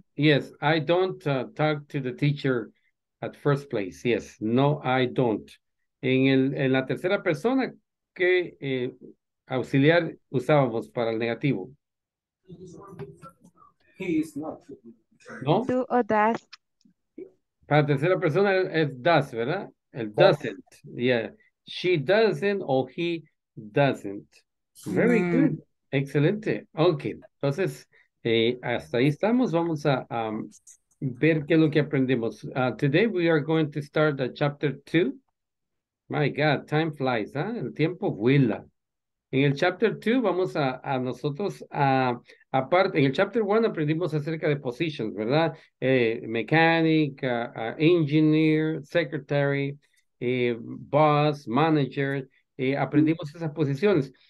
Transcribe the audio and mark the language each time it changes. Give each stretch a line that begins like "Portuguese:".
English: Yes, I don't talk to the teacher at first place. Yes, no, I don't.
Spanish: en la tercera persona, ¿qué auxiliar usábamos para el negativo?
English: He is not.
Spanish: ¿No?
English: Do or does.
Spanish: Para tercera persona es does, ¿verdad? El doesn't. Yeah.
English: She doesn't o he doesn't. Very good. Excelente. Ok.
Spanish: Entonces, hasta ahí estamos. Vamos a ver qué es lo que aprendimos.
English: Today we are going to start the chapter 2. My God, time flies,
Spanish: ¿eh? El tiempo vuela. En el chapter 2 vamos a nosotros a aparte, en el chapter 1 aprendimos acerca de positions, ¿verdad?
English: Mechanic, engineer, secretary, boss, manager,
Spanish: aprendimos esas posiciones.